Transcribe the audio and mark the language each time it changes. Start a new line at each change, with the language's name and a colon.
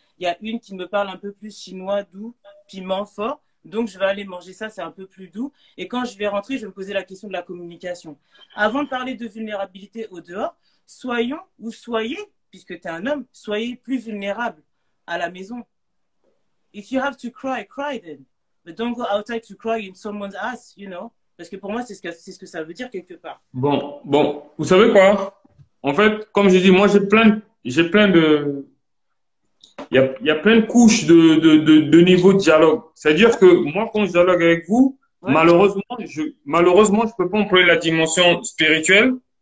French: Il y a une qui me parle un peu plus chinois, doux, piment fort. Donc, je vais aller manger ça, c'est un peu plus doux. Et quand je vais rentrer, je vais me poser la question de la communication. Avant de parler de vulnérabilité au dehors, soyons ou soyez, puisque tu es un homme, soyez plus vulnérable à la maison.
English: If you have to cry, cry then. But don't go outside to cry in someone's ass, you know.
French: Parce que pour moi, c'est ce que ça veut dire quelque part. Bon, vous savez quoi? En fait, comme je dis, moi, j'ai plein de, il y a plein de couches de niveau de dialogue. C'est-à-dire que moi, quand je dialogue avec vous, Ouais. malheureusement, je peux pas employer la dimension spirituelle